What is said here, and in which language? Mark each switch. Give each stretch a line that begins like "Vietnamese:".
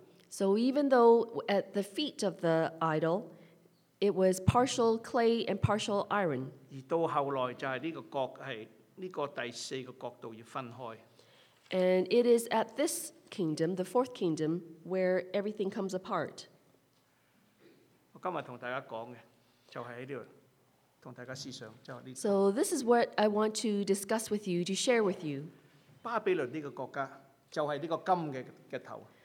English: So even though at the feet of the idol, It was partial clay and partial iron.
Cantonese: 而到後來就係呢個角係呢個第四個角度要分開。
English: And it is at this kingdom, the fourth kingdom, where everything comes apart.
Cantonese: 我今日同大家講嘅就係喺呢度，同大家思想就係呢。
English: So this is what I want to discuss with you, to share with you.
Cantonese: 巴比倫呢個國家就係呢個金嘅頭。